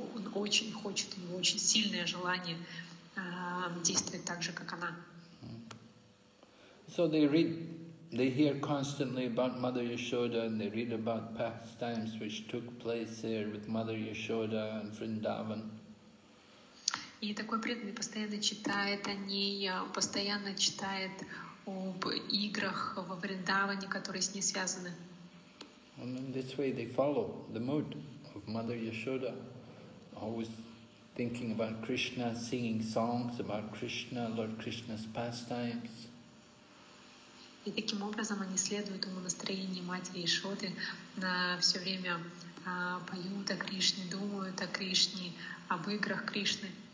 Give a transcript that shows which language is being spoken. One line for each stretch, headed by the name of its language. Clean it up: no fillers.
Russian: Он очень хочет, у него очень сильное желание действовать так же, как она.
English: So they read, they hear constantly about Mother Yashoda, and they read about pastimes which took place there with Mother Yashoda and Vrindavan.
Russian: И такой преданный постоянно читает о ней, постоянно читает об играх во Вриндаване, которые с ней связаны.
English: And in this way they follow the mood of Mother Yashoda, always thinking about Krishna, singing songs about Krishna, Lord Krishna's pastimes.
Russian: И таким образом они следуют ему настроению матери Ишоды, на все время поют о Кришне, думают о Кришне, об играх Кришны.